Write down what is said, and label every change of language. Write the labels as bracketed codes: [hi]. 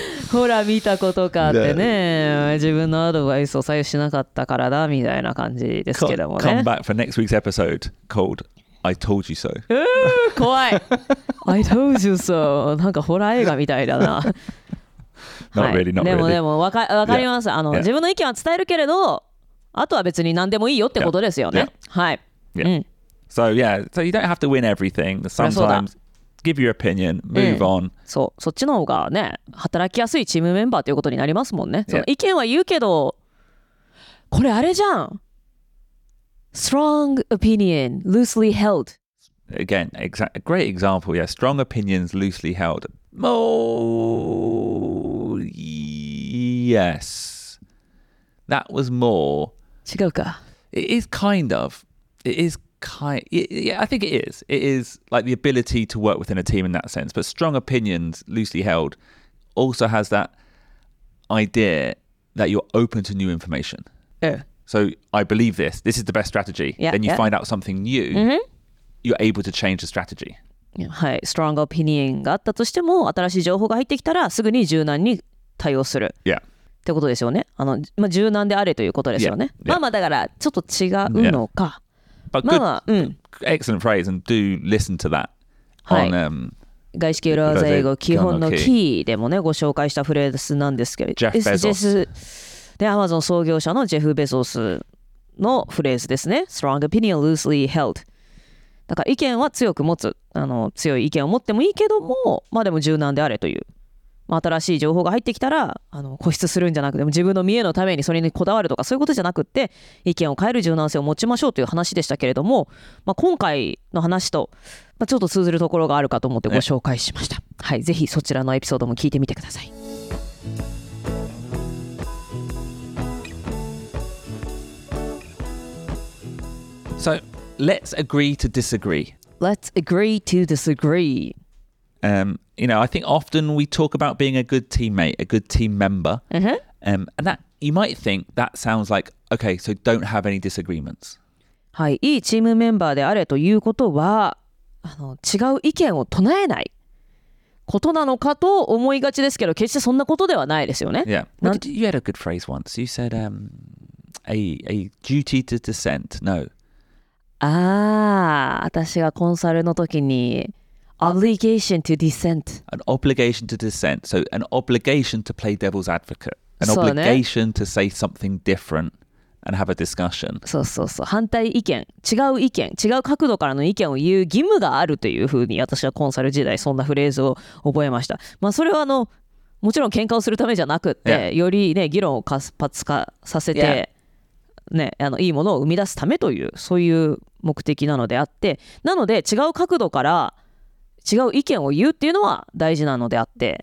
[ja] ほら見たことかってね、yeah. 自分のアドバイスを左右しなかったからだみたいな感じですけどもね。 [en] Come back for next week's episode called I Told You So. [ja] 怖い。 [en] I Told You So. [ja] なんかホラー映画みたいだな。 [en] Not really, not really. [ja] でも分かります。Yeah. 自分の意見は伝えるけれど、あとは別に何でもいいよってことですよね。 [en] Yeah. [ja] はい。 [en] Yeah. うん。So yeah, so you don't have to win everything. Sometimes. Give your opinion, move on. [ja] そう、そっちの方がね、働きやすいチームメンバーということになりますもんね。その意見は言うけど、これあれじゃん。 [en] Strong opinion, loosely held. Again, a great example, yeah. Strong opinions, loosely held. Oh, yes. That was more. [ja] 違うか。 [en] It is kind of. It is. Yeah, I think it is. It is like the ability to work within a team in that sense. But strong opinions, loosely held, also has that idea that you're open to new information. Yeah. So I believe this. This is the best strategy. Yeah, then you find out something new,、 mm-hmm. you're able to change the strategy. [ja] はい、strong opinion があったとしても、新しい情報が入ってきたらすぐに柔軟に対応する。 [en] Yeah. [ja] ってことですよね。まあ、柔軟であれということですよね。 [en] Yeah. [ja] まあまあだからちょっと違うのか。 [en] Yeah. But good, excellent phrase, and do listen to that on、 [ja] はい、外資系裏技英語基本のキーでもねご紹介したフレーズなんですけど、 [en] Jeff Bezos [ja] で Amazon 創業者のジェフ・ベゾスのフレーズですね。 [en] Strong opinion loosely held。 [ja] だから意見は強く持つ、強い意見を持ってもいいけども、まあでも柔軟であれという、まあ、新しい情報が入ってきたら固執するんじゃなくて、自分の見栄のためにそれにこだわるとかそういうことじゃなくって、意見を変える柔軟性を持ちましょうという話でしたけれども、まあ、今回の話と、まあ、ちょっと通ずるところがあるかと思ってご紹介しました、はい、ぜひそちらのエピソードも聞いてみてください。 [en] So let's agree to disagree. Let's agree to disagree You know, I think often we talk about being a good teammate, a good team member. Uh-huh. And that, you might think that sounds like, okay, so don't have any disagreements. [ja] はい、いいチームメンバーであれということは、違う意見を唱えないことなのかと思いがちですけど、決してそんなことではないですよね。 [en] Yeah. What did you had a good phrase once. You said, a duty to dissent. No. [ja] ああ、私がコンサルの時に、 [en] Obligation to dissent. An obligation to dissent. So an obligation to play devil's advocate. An obligation to say something different and have a discussion. [ja] そうそうそう。反対意見、違う意見、違う角度からの意見を言う義務があるというふうに、私はコンサル時代そんなフレーズを覚えました。まあそれはもちろん喧嘩をするためじゃなくって、 [en] yeah. [ja] よりね、議論を活発化させて、 [en] yeah. [ja] ね、いいものを生み出すためという、そういう目的なのであって、なので違う角度から違う意見を言うっていうのは大事なのであって、